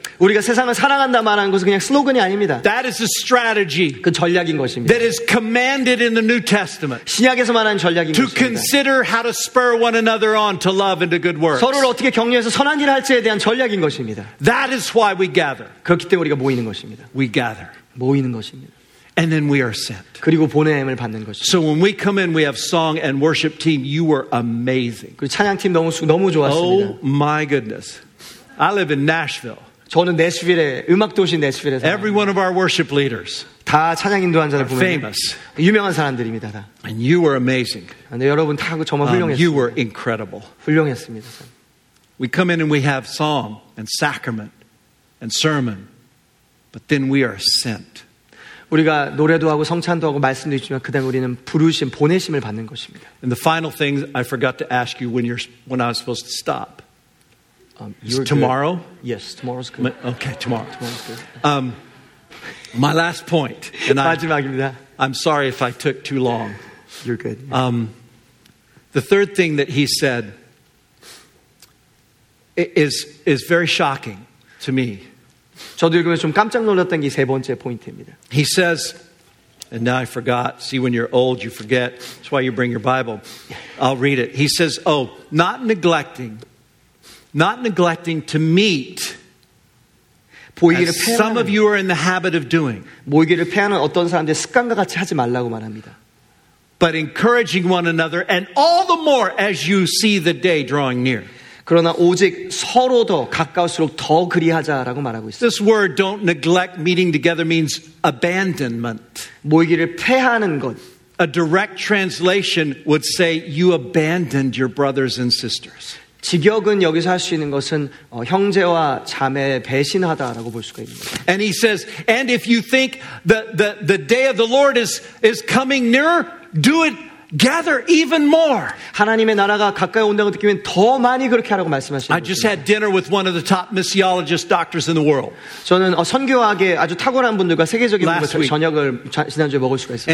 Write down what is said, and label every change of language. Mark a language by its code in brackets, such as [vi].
[ko] 우리가 세상을 사랑한다 말하는 것은 그냥 슬로건이 아닙니다. [en] That is a strategy. [ko] 그 전략인 것입니다. [en] That is commanded in the New Testament. [ko] 신약에서 말하는 전략인 것입니다. [en] To consider how to spur one another on to love and to good works. [ko] 서로를 어떻게 격려해서 선한 일을 할지에 대한 전략인 것입니다. [en] That is why we gather. [ko] 그렇기 때문에 우리가 모이는 것입니다. [en] We gather. [ko] 모이는 것입니다. [en] And then we are sent. [ko] 그리고 보내임을 받는 것입니다. [en] So when we come in, we have song and worship team. You were amazing. [ko] 그 찬양팀 너무 좋았습니다. [en] Oh my goodness. I live in Nashville. [ko] 저는 내시빌에 음악 도시 내시빌에서 [en] Every one of our worship leaders. [ko] 다 찬양 인도한 자들 보면 [en] famous. [ko] 유명한 사람들입니다 다. [en] And you were amazing. [ko] 근데 여러분 다 정말 훌륭했습니다. [en] You were incredible. [ko] 훌륭했습니다. [en] We come in and we have song and sacrament and sermon. But then we are sent. [ko] 우리가 노래도 하고 성찬도 하고 말씀도 있지만 그다음 우리는 부르심 보내심을 받는 것입니다. [en] And the final thing I forgot to ask you when I was supposed to stop. Tomorrow? Good. Yes, tomorrow's good. Okay, tomorrow. Tomorrow's good. My last point. And [ko] 마지막입니다. [en] I'm sorry if I took too long. You're good. The third thing that he said is very shocking to me. [ko] 저도 읽으면 좀 깜짝 놀랐던 게 세 번째 포인트입니다. [en] He says, and now I forgot. See, when you're old, you forget. That's why you bring your Bible. I'll read it. He says, oh, not neglecting to meet, as some of you are in the habit of doing. [ko] 모이기를 폐하는 어떤 사람들의 습관과 같이 하지 말라고 말합니다. [en] But encouraging one another, and all the more as you see the day drawing near. [ko] 그러나 오직 서로 더 가까울수록 더 그리하자라고 말하고 있습니다. [en] This word don't neglect meeting together means abandonment. [ko] 모이기를 폐하는 것. [en] A direct translation would say you abandoned your brothers and sisters. [ko] 직역은 여기서 할 수 있는 것은 형제와 자매 배신하다라고 볼 수가 있습니다. [en] And he says and if you think the day of the Lord is coming nearer do it Gather even more. [ko] 하나님의 나라가 가까이 온다고 느끼면 더 많이 그렇게 하라고 말씀하시는 거예요. [en] I just had dinner with one of the top missiologist doctors in the world. [ko] 저는 선교학의 아주 탁월한 분들과 세계적인 분들과 저녁을 지난주에 먹을 수가 있었어요.